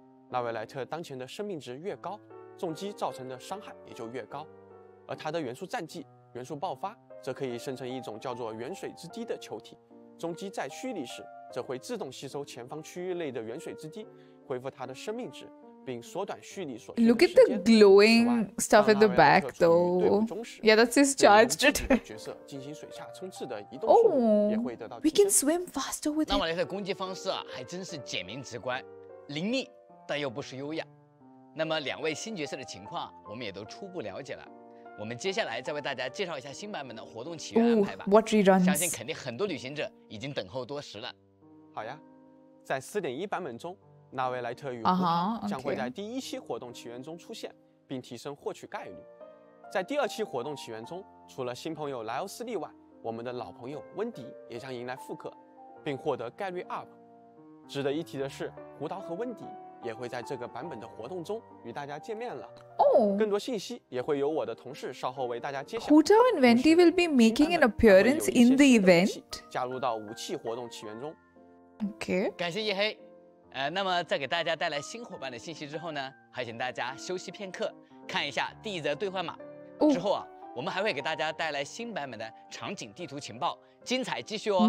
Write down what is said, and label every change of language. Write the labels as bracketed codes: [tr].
[zh] 纳维莱特当前的生命值越高，重击造成的伤害也就越高，而他的元素战技元素爆发则可以生成一种叫做元水之滴的球体，终极在蓄力时则会自动吸收前方区域内的元水之滴，恢复它的生命值，并缩短蓄力所需的时间。 [en] Look at the glowing stuff at the back though. Yeah, that's his charge today. [zh] 角色进行水下冲刺的移动速度也会得到提 [en] 升。 We can swim faster with it. [zh] 纳瓦雷特攻击方式、还真是简明直观，凌厉但又不失优雅。那么两位新角色的情况我们也都初步了解了，我们接下来再为大家介绍一下新版本的活动起源安排吧。 [en] Watch reruns. [zh] 相信肯定很多旅行者已经等候多时了。好呀，在 4.1 版本中，纳维莱特与胡塔将会在第一期活动起源中出现，并提升获取概率。在第二期活动起源中，除了新朋友莱欧斯利外，我们的老朋友温迪也将迎来复刻，并获得概率 up。值得一提的是，胡桃和温迪也会在这个版本的活动中与大家见面了。更多信息也会由我的同事稍后为大家揭晓。 [en] Hutao and Wendy will be making an appearance in the event， [zh] 加入到武器活动起源中。 [en] OK， [zh] 感谢夜黑。那么在给大家带来新伙伴的信息之后呢，还请大家休息片刻，看一下第一则兑换码。之后啊，我们还会给大家带来新版本的场景地图情报，精彩继续哦。